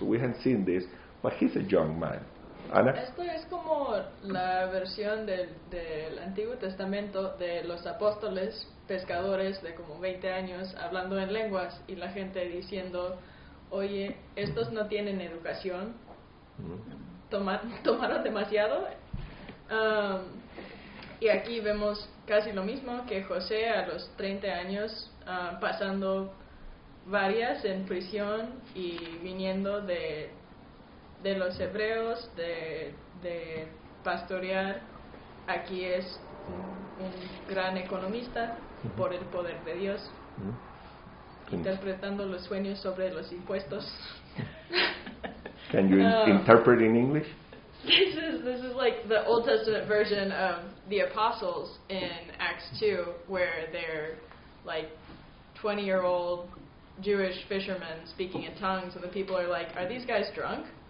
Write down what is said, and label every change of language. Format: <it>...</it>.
<en>So we haven't seen this, but he's a young man. Ana?</en> <es>Esto es como la versión del Antiguo Testamento de los apóstoles pescadores de como 20 años hablando en lenguas y la gente diciendo, oye, estos no tienen educación, tomaron demasiado. Y aquí vemos casi lo mismo, que José a los 30 años, pasando varias en prisión y viniendo de de los hebreos, de pastorear. Aquí es un gran economista por el poder de Dios, interpretando los sueños sobre los impuestos.</es> <en>Can you interpret in English? This is like the Old Testament version of the apostles in Acts 2, where they're like 20-year-old Jewish fishermen speaking in tongues, and the people are like, are these guys drunk?</en>